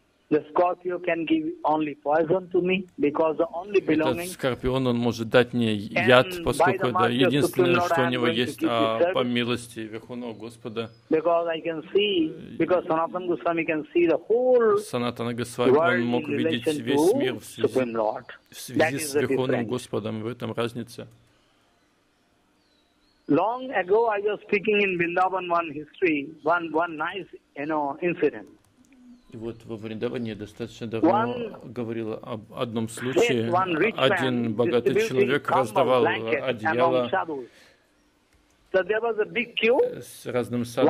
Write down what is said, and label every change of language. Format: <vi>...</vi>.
<en>The scorpion can give only poison to me because the only belonging.</en> <ru>Этот скорпион он может дать мне яд, поскольку это единственное, что у него есть, а по милости Верховного Господа.</ru> <en>Because Sanatana Goswami can see the whole world in relation to Supreme Lord.</en> <ru>В связи с Верховным Господом, в этом разница.</ru> <en>Long ago, I was speaking in Vrindavan one history, one nice, you know, incident.</en> <ru>И вот во Вриндаване достаточно давно говорил об одном случае. Один богатый человек раздавал одеяло с разным саду.</ru>